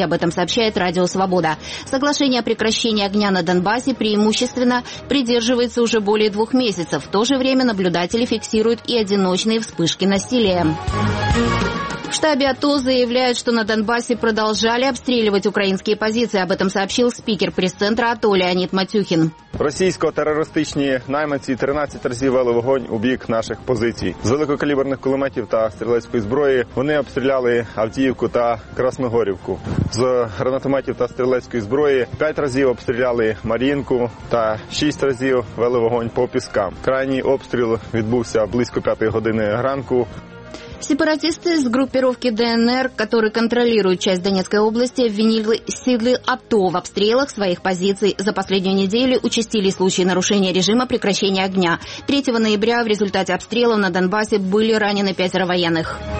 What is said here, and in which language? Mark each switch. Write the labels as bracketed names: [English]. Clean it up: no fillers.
[Russian] Об этом сообщает Радио Свобода. Соглашение о прекращении огня на Донбассе преимущественно придерживается уже более 2 месяцев. В то же время наблюдатели фиксируют и одиночные вспышки насилия. В штабе АТО заявляют, что на Донбассе продолжали обстреливать украинские позиции. Об этом сообщил спикер пресс-центра АТО Леонид Матюхин. [Ukrainian] Російсько-терористичні найманці 13 разів вели вогонь у бік наших позицій. З великокаліберних кулеметів та стрілецької зброї вони обстріляли Авдіївку та Красногорівку. З гранатометів та стрілецької зброї 5 разів обстріляли Мар'їнку та 6 разів вели вогонь по піскам. Крайній обстріл відбувся близько 5 години ранку. [Russian] Сепаратисты из группировки ДНР, которые контролируют часть Донецкой области, обвинили силы АТО в обстрелах своих позиций. За последнюю неделю участились случаи нарушения режима прекращения огня. 3 ноября в результате обстрелов на Донбассе были ранены 5 военных.